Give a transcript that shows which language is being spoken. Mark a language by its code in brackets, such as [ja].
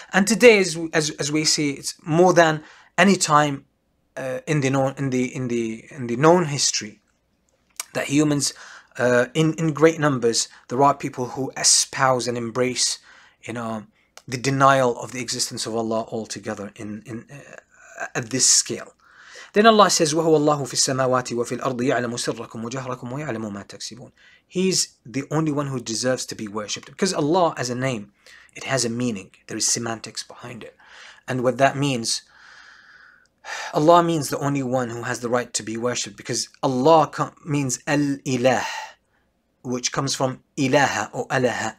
[en] And today, as we see, it's more than any time in the known history that humans, in great numbers, there are people who espouse and embrace, you know, the denial of the existence of Allah altogether at this scale. [ar] Then Allah says, وَهُوَ اللَّهُ فِي السَّمَاوَاتِ وَفِي الْأَرْضِ يَعْلَمُ سِرَّكُمْ وَجَهْرَكُمْ وَيَعْلَمُ مَا تَكْسِبُونَ. [en] He's the only one who deserves to be worshipped. Because Allah as a name, it has a meaning. There is semantics behind it. And what that means, Allah means the only one who has the right to be worshipped. Because Allah means Al-Ilah, which comes from Ilaha or Alaha.